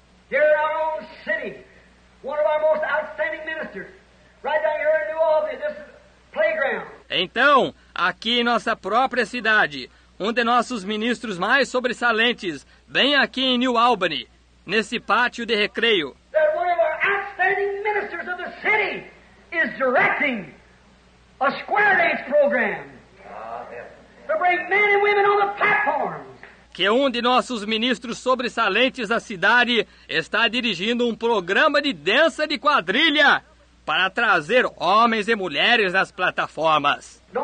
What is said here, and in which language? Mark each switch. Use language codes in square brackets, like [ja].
[en] Here in our own city, one of our most outstanding ministers, right down here in New Albany, this playground. [pt] Então, aqui em nossa própria cidade, um de nossos ministros mais sobressalentes, bem aqui em New Albany, nesse pátio de recreio. [en] That one of our outstanding ministers of the city is directing a square dance program. To bring men and women on the platform. [pt] Que um de nossos ministros sobressalentes da cidade está dirigindo um programa de dança de quadrilha para trazer homens e mulheres nas plataformas.